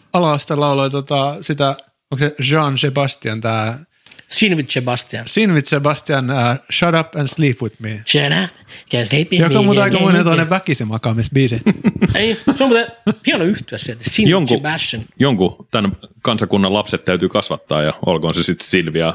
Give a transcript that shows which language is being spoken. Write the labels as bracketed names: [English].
[Finnish] Ala-aste lauloi sitä, onko se Jean-Sébastien tämä... [English] Sin with Sebastian, Shut up and sleep with me. Shut up and sleep with me. [Finnish] Joka on muuten aika monen tuonne väkisin makaamisbiisi. Ei, se on muuten hieno yhtyä sieltä. [English] Sin with Sebastian. [Finnish] Jonkun tämän kansakunnan lapset täytyy kasvattaa ja olkoon se sitten Silvia.